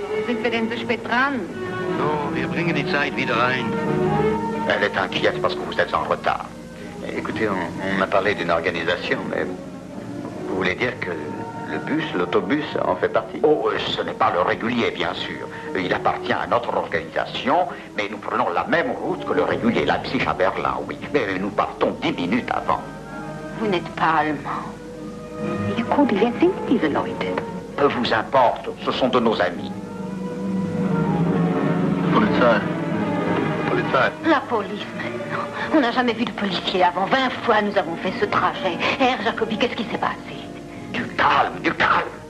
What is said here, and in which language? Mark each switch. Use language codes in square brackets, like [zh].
[de] Sind wir denn so spät dran? So, wir bringen die Zeit wieder ein. [fr] Elle est inquiète parce que vous êtes en retard. Écoutez, on m'a parlé d'une organisation, mais vous voulez dire que le bus, l'autobus en fait partie? Oh, ce n'est pas le régulier, bien sûr. Il appartient à notre organisation, mais nous prenons la même route que le régulier, Leipzig à Berlin, oui. Mais nous partons 10 minutes avant. Vous n'êtes pas allemand. [de] Wie gut, wer sind diese Leute? [fr] Peu vous importe, ce sont de nos amis. [de] Polizei. Polizei. [fr] La police, maintenant. On n'a jamais vu de policier avant. 20 fois nous avons fait ce trajet. Herr Jacobi, qu'est-ce qui s'est passé? Du calme, du calme.